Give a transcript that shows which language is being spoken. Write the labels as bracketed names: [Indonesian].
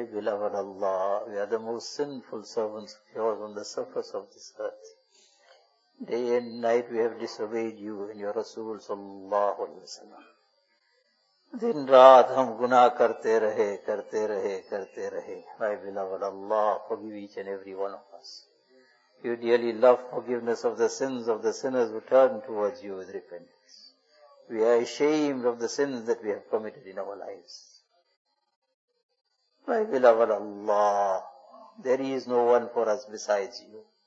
[English] My beloved Allah, we are the most sinful servants of yours on the surface of this earth. Day and night we have disobeyed you and your Rasul sallallahu alayhi wa sallam. [Urdu] دن رات ہم گناہ کرتے رہے کرتے رہے کرتے رہے. [English] My beloved Allah, forgive each and every one of us. You dearly love forgiveness of the sins of the sinners who turn towards you with repentance. We are ashamed of the sins that we have committed in our lives. My beloved Allah, there is no one for us besides you.